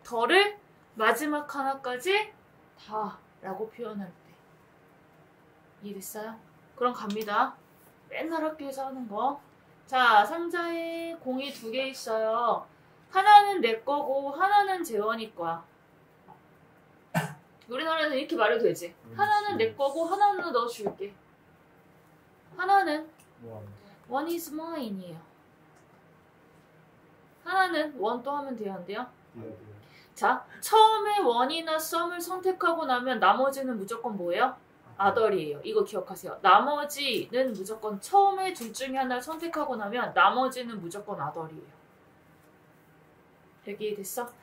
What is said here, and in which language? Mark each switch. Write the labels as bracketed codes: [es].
[ko] 더를 마지막 하나까지 다 라고 표현할 때. 이해됐어요? 그럼 갑니다. 맨날 학교에서 하는 거. 자, 상자에 공이 두 개 있어요. 하나는 내 거고 하나는 재원이 거야. 우리나라에서 이렇게 말해도 되지. 하나는 내 거고 하나는 너 줄게. 하나는 [en] one is mine [ko] 이에요. 하나는 원 또 하면 돼요, 안 돼요? 네. 자, 처음에 원이나 썸을 선택하고 나면 나머지는 무조건 뭐예요? 아덜이에요. 이거 기억하세요. 나머지는 무조건 처음에 둘 중에 하나를 선택하고 나면 나머지는 무조건 아덜이에요. 되게 됐어?